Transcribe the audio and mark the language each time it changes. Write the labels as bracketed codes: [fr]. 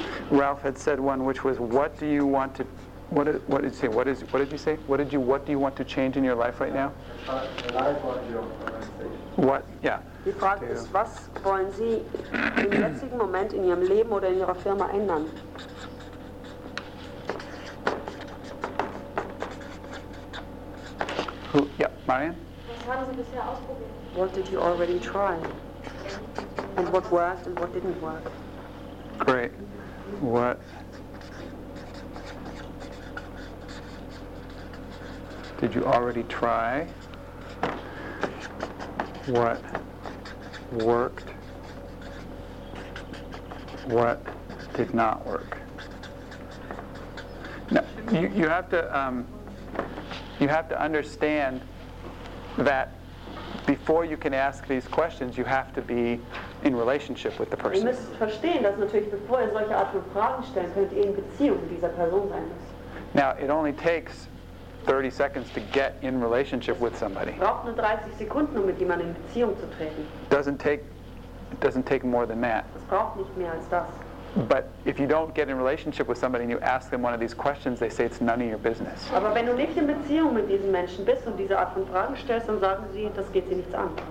[en] Ralph had said one, which was, "What do you want to? What did you say? What do you want to change in your life right now?" [de] Die Frage ist, was wollen Sie im jetzigen Moment in Ihrem Leben oder in Ihrer Firma ändern? [en] Marian. [de] Was haben Sie bisher ausprobiert? [en] What did you already try? And what worked and what didn't work? Great. What? Did you already try? What worked? What did not work? Now, you have to understand that before you can ask these questions, you have to be in relationship with the person. [de] Ihr müsst verstehen, dass natürlich bevor ihr solche Art von Fragen stellt, könnt ihr in Beziehung mit dieser Person sein müssen. [en] Now, it only takes 30 seconds to get in relationship with somebody. [de] Es braucht nur 30 Sekunden, um mit jemandem in Beziehung zu treten. [en] It doesn't take more than that. [de] Es braucht nicht mehr als das. [en] But if you don't get in relationship with somebody and you ask them one of these questions, they say it's none of your business. [de] Aber wenn du nicht in Beziehung mit diesen Menschen bist und diese Art von Fragen stellst, dann sagen sie, das geht sie nichts an.